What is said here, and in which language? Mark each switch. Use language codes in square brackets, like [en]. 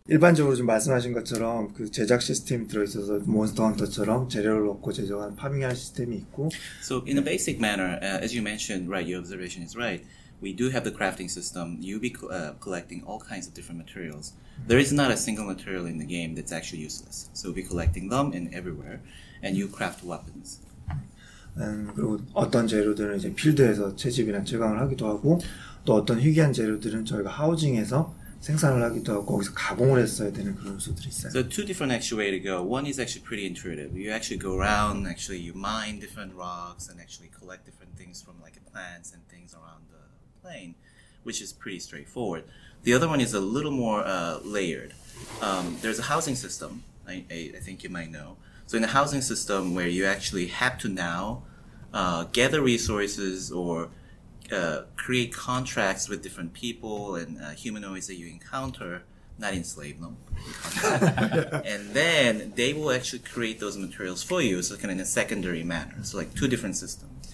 [ko] 일반적으로 좀 말씀하신 것처럼 그 제작 시스템 들어있어서 Monster Hunter처럼 재료를 얻고 제조하는 파밍할 시스템이 있고. [en] So in a basic manner, as you mentioned, right, your observation is right. We do have the crafting system. You'll be collecting all kinds of different materials. There is not a single material in the game that's actually useless. So we'll be collecting them in everywhere, and you craft weapons. [ko] And 그리고 어떤 재료들은 이제 필드에서 채집이나 제강을 하기도 하고 또 어떤 희귀한 재료들은 저희가 하우징에서 생산을 하기도 하고 거기서 가공을 했어야 되는 그런 요소들이 있어요. [en] So two different actual way to go. One is actually pretty intuitive. You actually go around. Actually, you mine different rocks and actually collect different things from like plants and things around. Plane, which is pretty straightforward. The other one is a little more layered. There's a housing system, I think you might know. So in a housing system where you actually have to now gather resources or create contracts with different people and humanoids that you encounter, not enslave them, and then they will actually create those materials for you, so kind of in a secondary manner, so like two different systems.